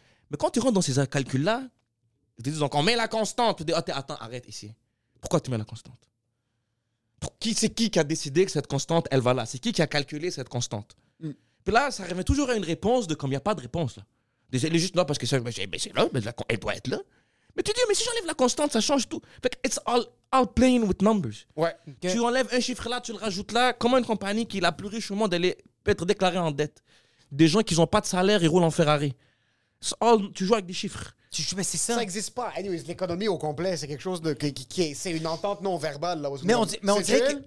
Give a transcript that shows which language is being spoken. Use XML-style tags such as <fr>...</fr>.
<fr>Mais quand tu rentres dans ces calculs-là, ils te disent, on met la constante. Tu dis, oh, attends, arrête ici. Pourquoi tu mets la constante? C'est qui a décidé que cette constante, elle va là? C'est qui a calculé cette constante? Puis là, ça revient toujours à une réponse de comme il n'y a pas de réponse. Là. Elle est juste là parce que ça, mais c'est là, mais elle doit être là. Mais tu dis, mais si j'enlève la constante, ça change tout. Fait que</fr> <en>it's all playing with numbers.</en> <fr>Ouais. Okay. Tu enlèves un chiffre là, tu le rajoutes là. Comment une compagnie qui est la plus riche au monde peut être déclarée en dette? Des gens qui n'ont pas de salaire, ils roulent en Ferrari. Tu joues avec des chiffres. Mais c'est ça. Ça n'existe pas. Anyways, l'économie au complet, c'est quelque chose de qui est, c'est une entente non verbale là. Mais on, mais on dirait que</fr>